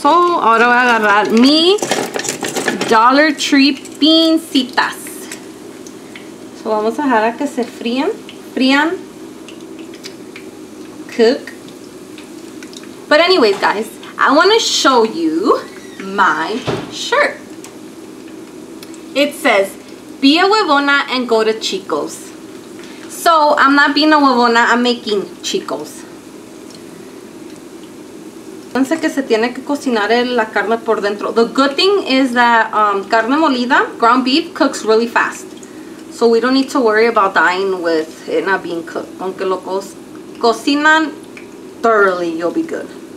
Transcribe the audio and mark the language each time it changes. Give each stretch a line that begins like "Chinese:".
Spanish: So ahora voy a agarrar mi Dollar Tree pincitas. So vamos a dejar a que se frían. Frían.
English: Cook. But anyways, guys, I want to show you my shirt. It says, be a huevona and go to Chico's. So I'm not being a huevona, I'm making Chico's.
Spanish: Piensa que se tiene que cocinar la carne por dentro.
English: The good thing is that
Spanish: carne molida,
English: ground beef, cooks really fast. So we don't need to worry about dying with it not being cooked.
Spanish: Aunque lo cocinan
English: thoroughly, you'll be good.